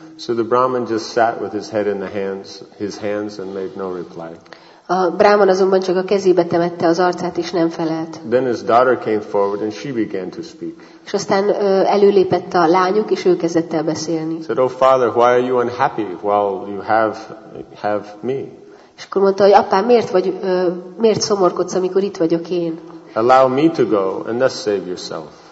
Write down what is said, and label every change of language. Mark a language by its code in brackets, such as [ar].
[en] So the Brahman just sat with his head in the hands and made no reply. [hu] A Brahman azonban csak a kezébe temette az arcát, és nem felelt. [en] Then his daughter came forward and she began to speak. [hu] És aztán előlépett a lányuk, és ő kezdett el beszélni. [en] Said, oh father, why are you unhappy while you have me? [hu] És akkor mondta, hogy apám, miért szomorkodsz, amikor itt vagyok én? [en] Allow me to go and thus save yourself.